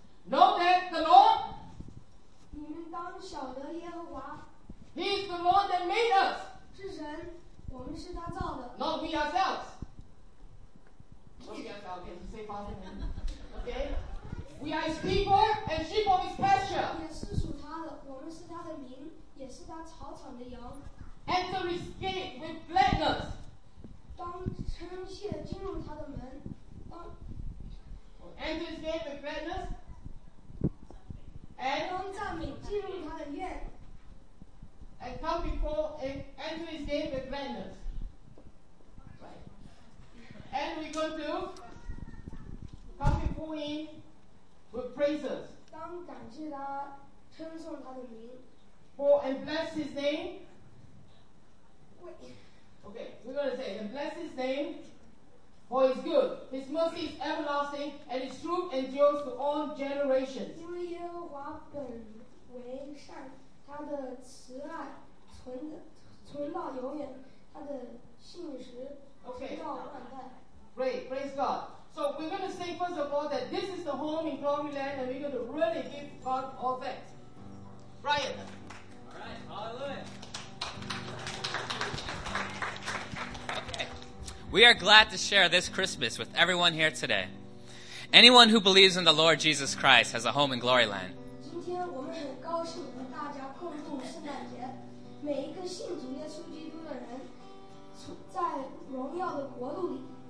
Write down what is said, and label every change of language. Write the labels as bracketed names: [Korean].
[English] Know that the Lord, He is the Lord that made us. Not we ourselves. Okay. We are his people and sheep of his pasture. [Chinese] 也是属他的，我们是他的民，也是他草场的羊。 [English] Enter his gate with gladness. [Chinese] 当称谢进入他的门，当。 [English] Enter his gate with gladness. And [Chinese] 当赞美进入他的院。 [English] And come before and enter his gate with gladness. Right. And we're going to come before him. With praises. [Chinese] 当感谢他，称颂他的名。 [English] For and bless his name. Wait. Okay, we're going to say, and bless his name, for he's good. His mercy is everlasting, and his truth endures to all generations. [Chinese] 因为耶和华本为善，他的慈爱存到永远，他的信实存到万代。 [English] Okay. Great, praise God. So we're going to say first of all that this is the home in glory land and we're going to really give God all thanks. Brian. All right, hallelujah. Okay. We are glad to share this Christmas with everyone here today. Anyone who believes in the Lord Jesus Christ has a home in glory land. [Chinese] 今天我们很高兴与大家共度圣诞节。每一个信主耶稣基督的人在荣耀的国度里